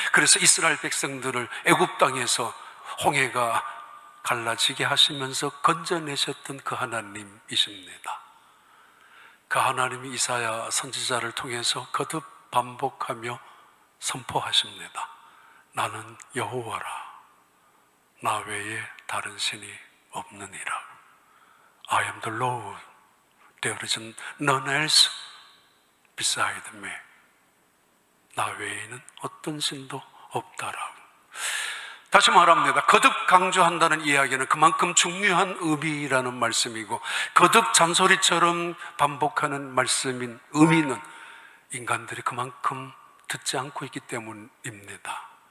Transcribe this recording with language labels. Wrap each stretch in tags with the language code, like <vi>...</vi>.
<ko>그래서 이스라엘 백성들을 애굽 땅에서 홍해가 갈라지게 하시면서 건져내셨던 그 하나님이십니다. 그 하나님이 이사야 선지자를 통해서 거듭 반복하며 선포하십니다. 나는 여호와라, 나 외에 다른 신이 없느니라.</ko> <en>I am the Lord, there is none else beside me.</en> <ko>나 외에는 어떤 신도 없다라고. 다시 말합니다. 거듭 강조한다는 이야기는 그만큼 중요한 의미라는 말씀이고, 거듭 잔소리처럼 반복하는 말씀인 의미는 인간들이 그만큼 듣지 않고 있기 때문입니다.</ko>